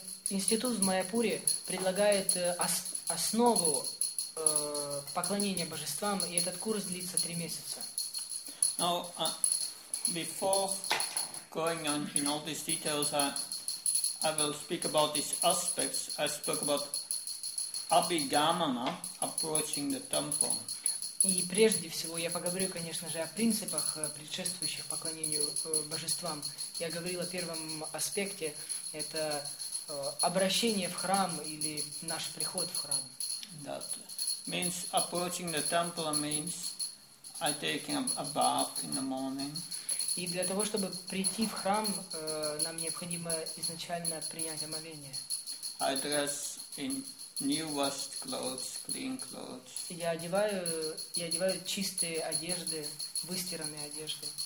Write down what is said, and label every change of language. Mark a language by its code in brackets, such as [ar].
[ru] Институт в Майяпуре предлагает основу поклонения божествам, и этот курс длится 3 месяца. [en] Now, before going on in all these details, I will speak about these aspects. I spoke about Abhigamana, approaching the temple. [ru] И прежде всего я поговорю, конечно же, о принципах, предшествующих поклонению божествам. Я говорил о первом аспекте, это обращение в храм или наш приход в храм. [en] That means approaching the temple means I taking a bath in the morning. [ru] И для того, чтобы прийти в храм, нам необходимо изначально принять омовение. [en] I dress in new washed clothes, clean clothes. [ru] Я одеваю чистые одежды, выстиранные одежды.